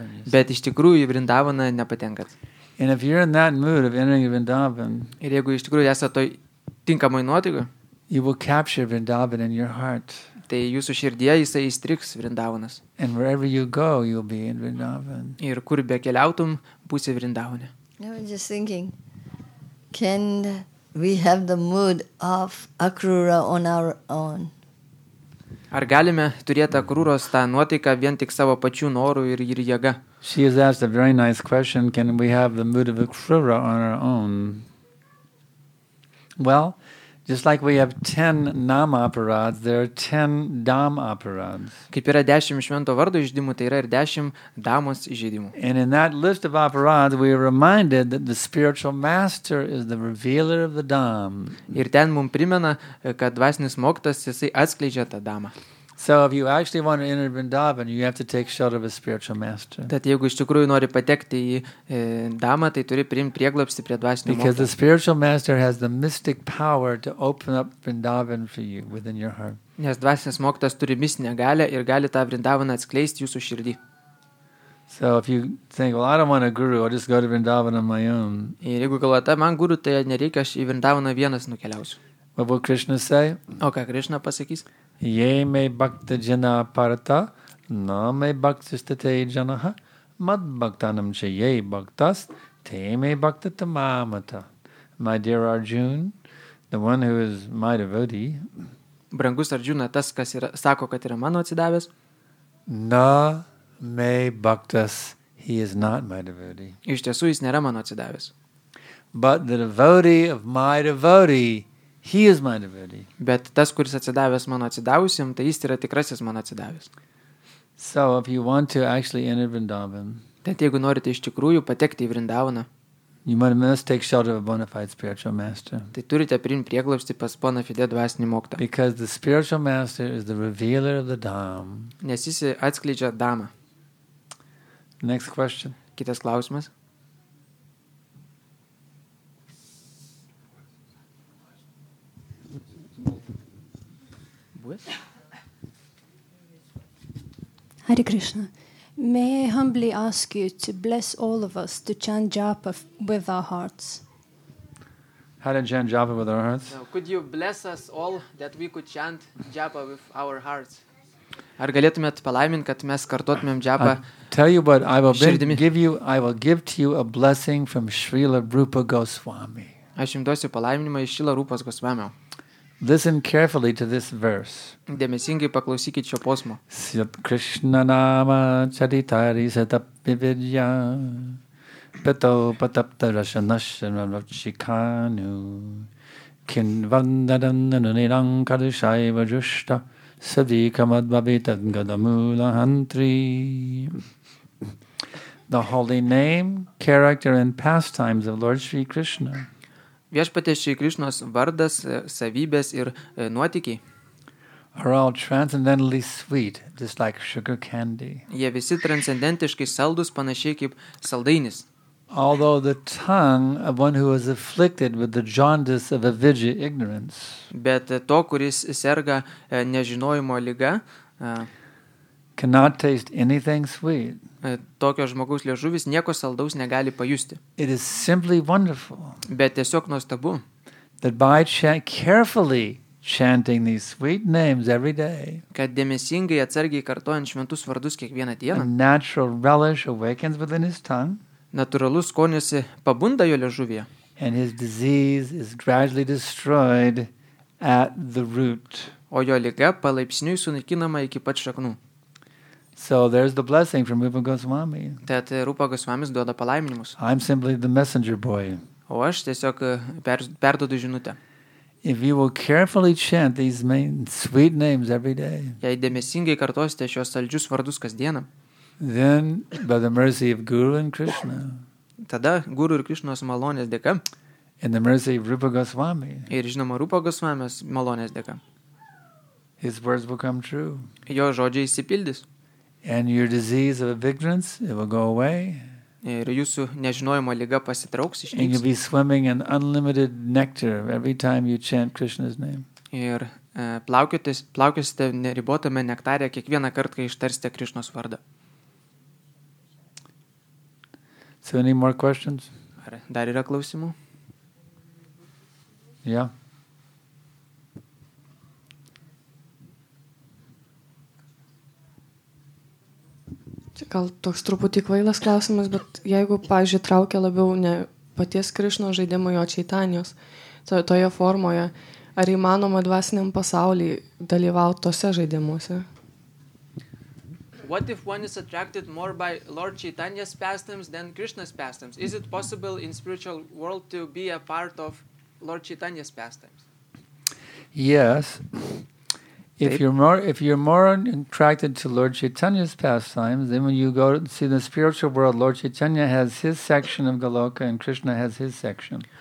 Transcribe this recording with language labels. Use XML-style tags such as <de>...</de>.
<lt>Bet iš tikrųjų į Vrindavaną nepatenkat.</lt> <en>And if you're in that mood of entering Vrindavan,</en> <lt>ir jeigu iš tikrųjų esate toj tinkamoj nuotaikoj,</lt> <en>you will capture Vrindavan in your heart.</en> <lt>Tai jūsų širdyje jisai įstriks Vrindavanas.</lt> <en>And wherever you go, you'll be in Vrindavan.</en> <lt>Ir kur be keliautum, būsi Vrindavane.</lt> <en>I was just thinking, can we have the mood of Akrūra on our own?</en> <lt>Ar galime turėti Akrūros tą nuotaiką vien tik savo pačių norų ir jėga?</lt> <en>She has asked a very nice question. Can we have the mood of Akrūra on our own? Well, just like we have 10 nama aparats, there are 10 dam aparats.</en> <lt>Kaip yra 10 švento vardo išdimų, tai yra ir 10 damos išdimų.</lt> <en>And in that list of aparats, we are reminded that the spiritual master is the revealer of the dam.</en> <lt>Ir ten mum primena, kad dvasinis moktas jisai atskleidžia tą damą.</lt> <en>So if you actually want to enter Vrindavan, you have to take shelter of a spiritual master.</en> <lt>Tad jeigu iš tikrųjų nori patekti į damą, tai turi priimti prieglobstį prie dvasinio mokytojo.</lt> <en>Because the spiritual master has the mystic power to open up Vrindavan for you within your heart.</en> <lt>Nes dvasinis mokytojas turi mistinę galią ir gali tą Vrindavaną atskleisti jūsų širdį.</lt> <en>So if you think, well, I don't want a guru, I'll just go to Vrindavan on my own.</en> <lt>Ir jeigu galvojate, man guru, tai nereikia, aš į Vrindavaną vienas nukeliausiu.</lt> <en>What will Krishna say?</en> <lt>O ką Krishna pasakys?</lt> <sa>Jei mei bhakta jana aparata, na mei bhaktistate janaha, mad bhaktanam cha jei bhaktas, te mei bhaktata mamata.</sa> <en>My dear Arjuna, the one who is my devotee.</en> <lt>Brangus Arjuna, tas, kas yra, sako, kad yra mano atsidavęs.</lt> <sa>Na mei bhaktas,</sa> <en>he is not my devotee.</en> <lt>Iš tiesų, jis nėra mano atsidavęs.</lt> <en>But the devotee of my devotee, he is my devotee.</en> <lt>Bet tas, kuris atsidavęs mano atsidavusiam, tai jis yra tikrasis mano atsidavęs.</lt> <en>So if you want to actually enter Vrindavan,</en> <lt>tad jeigu norite iš tikrųjų patekti į Vrindavaną,</lt> <en>you must take shelter of a bona fide spiritual master.</en> <lt>Tai turite priimti prieglobstį pas bona fide dvasinį moktą.</lt> <en>Because the spiritual master is the revealer of the dham.</en> <lt>Nes jis atskleidžia damą.</lt> <en>Next question.</en> <lt>Kitas klausimas.</lt> <en>Hare Krishna, may I humbly ask you to bless all of us to chant japa with our hearts. How to chant japa with our hearts? Now, could you bless us all that we could chant japa with our hearts?</en> <lt>Ar galėtumėt palaimint, kad mes kartotumėm japa?</lt> <en>Tell you what, I will give to you a blessing from Srila Rupa Goswami.</en> <lt>Aš jums duosiu palaiminimą iš Srila Rupos Goswami.</lt> <en>Listen carefully to this verse.</en> <lt>Dėmesingai paklausykit šio posmo.</lt> <sa>Sat Krishna nama charitari satapivirya pato patapta rasanashana rachikanu kinvandadana nirankarishai vajushta Sadikamadbhavitadgadamulahantri.</sa> <en>The holy name, character and pastimes of Lord Shri Krishna.</en> <lt>Viešpatės Šri Krišnos vardas, savybės ir nuotykiai.</lt> <en>Are all transcendentally sweet, just like sugar candy.</en> <lt>Jie visi transcendentiškai saldus, panašiai kaip saldainis.</lt> <en>Although the tongue of one who is afflicted with the jaundice of avidya ignorance.</en> <lt>Bet to, kuris serga nežinojimo liga,</lt> <en>cannot taste anything sweet.</en> <lt>Tokio žmogaus liežuvis nieko saldaus negali pajusti.</lt> <en>It is simply wonderful.</en> <lt>Bet tiesiog nuostabu.</lt> <en>That by carefully chanting these sweet names every day.</en> <lt>Kad dėmesingai atsargiai kartojant šventus vardus kiekvieną dieną.</lt> <en>A natural relish awakens within his tongue.</en> <lt>Natūralus skonis pabunda jo liežuvyje.</lt> <en>And his disease is gradually destroyed at the root.</en> <lt>O jo liga palaipsniui sunaikinama iki pat šaknų.</lt> <en>So there's the blessing from Rupa Goswami.</en> <lt>Tad Rupa Goswamis duoda palaiminimus.</lt> <en>I'm simply the messenger boy.</en> <lt>O aš tiesiog perduodu žinutę.</lt> <en>If you will carefully chant these main sweet names every day.</en> <lt>Jei dėmesingai kartosite šios saldžius vardus kasdieną.</lt> <en>Then by the mercy of Guru and Krishna.</en> <lt>Tada Guru ir Krishnos malonės dėka.</lt> <en>And the mercy of Rupa Goswami.</en> <lt>Ir žinoma Rupa Goswamis malonės dėka.</lt> <en>His words will come true.</en> <lt>Jo žodžiai išsipildys.</lt> <en>And your disease of ignorance, it will go away.</en> <lt>Ir jūsų nežinojimo liga pasitrauks, išnyks.</lt> <en>And you'll be swimming in unlimited nectar every time you chant Krishna's name.</en> <lt>Ir plaukiosite neribotame nektare kiekvieną kartą, kai ištarsite Krishnos vardą.</lt> <en>So any more questions?</en> <lt>Ar dar yra klausimų?</lt> <en>Yeah.</en> <lt>Gal toks truputį kvailas klausimas, bet jeigu, pavyzdžiui, traukia labiau ne paties Krišno žaidimo, jo Čaitanijos, toje formoje, ar įmanoma dvasiniam pasaulyje dalyvauti tose žaidimuose?</lt> <en>What if one is attracted more by Lord Chaitanya's pastimes than Krishna's pastimes? Is it possible in spiritual world to be a part of Lord Chaitanya's pastimes? Yes. If you're more attracted to Lord Chaitanya's pastimes, then when you go to see the spiritual world, Lord Chaitanya has his section of Goloka and Krishna has his section.</en>